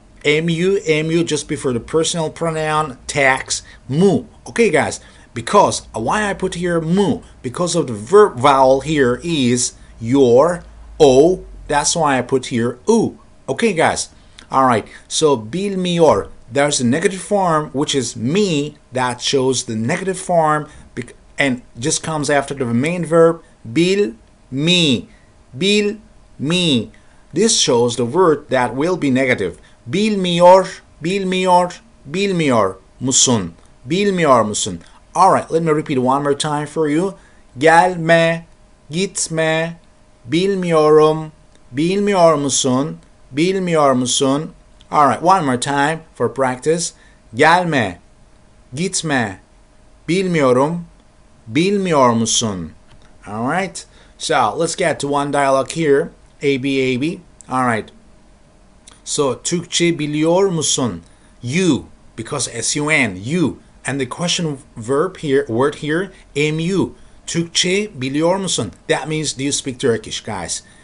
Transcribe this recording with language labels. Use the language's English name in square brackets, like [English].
[English] M-U, just before the personal pronoun, tags, mu, okay guys, because, why I put here mu, because of the verb vowel here is your, o, that's why I put here u, okay guys, alright, so bilmiyor, there's a negative form, which is me, that shows the negative form, and just comes after the main verb, bilmi, bilmi. This shows the word that will be negative. [Turkish] Bilmiyor, bilmiyor, bilmiyor musun, bilmiyor musun. [English] Alright, let me repeat one more time for you. [Turkish] Gelme, gitme, bilmiyorum, bilmiyor musun, bilmiyor musun. [English] Alright, one more time for practice. [Turkish] Gelme, gitme, bilmiyorum, bilmiyor musun? [English] Alright, so let's get to one dialogue here. A-B-A-B. Alright. [Turkish] So, Türkçe biliyor musun? [English] You, because S-U-N, you. And the question verb here, word here, M-U. [Turkish] Türkçe biliyor musun? [English] That means, do you speak Turkish, guys?